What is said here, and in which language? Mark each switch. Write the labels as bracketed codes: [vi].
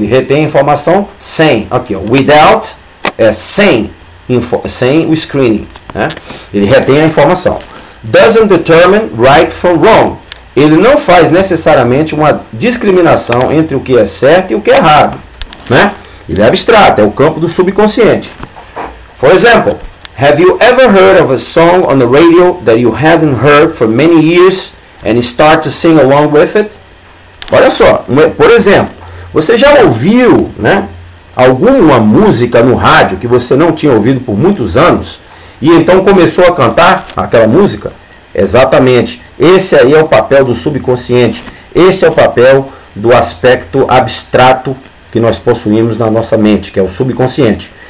[pt] Ele retém a informação sem. Aqui, ó, without é sem o screening, né? Ele retém a informação. [en] Doesn't determine right from wrong. [pt] Ele não faz necessariamente uma discriminação entre o que é certo e o que é errado, né? Ele é abstrato, é o campo do subconsciente. [en] For example, have you ever heard of a song on the radio that you hadn't heard for many years and start to sing along with it? [pt] Olha só, por exemplo, você já ouviu, né, alguma música no rádio que você não tinha ouvido por muitos anos e então começou a cantar aquela música? Exatamente, esse aí é o papel do subconsciente, esse é o papel do aspecto abstrato que nós possuímos na nossa mente, que é o subconsciente.